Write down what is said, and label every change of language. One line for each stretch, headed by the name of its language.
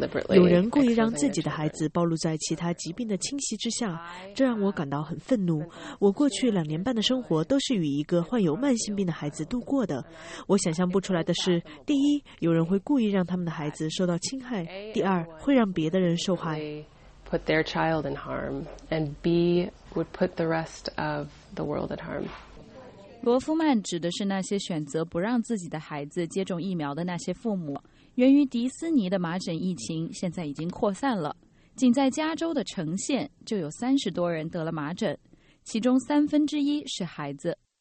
Chinese: 有人故意让自己的孩子暴露在其他疾病的侵袭之下，这让我感到很愤怒。我过去2年半的生活都是与一个患有慢性病的孩子度过的。我想象不出来的是，第一，有人会故意让他们的孩子受到侵害；第二，会让别的人受害。
English: Put their child in harm, and B would put the rest of the world at harm.
Chinese: 罗夫曼指的是那些选择不让自己的孩子接种疫苗的那些父母。源于迪斯尼的麻疹疫情现在已经扩散了，仅在加州的城县就有30多人得了麻疹，其中1/3是孩子。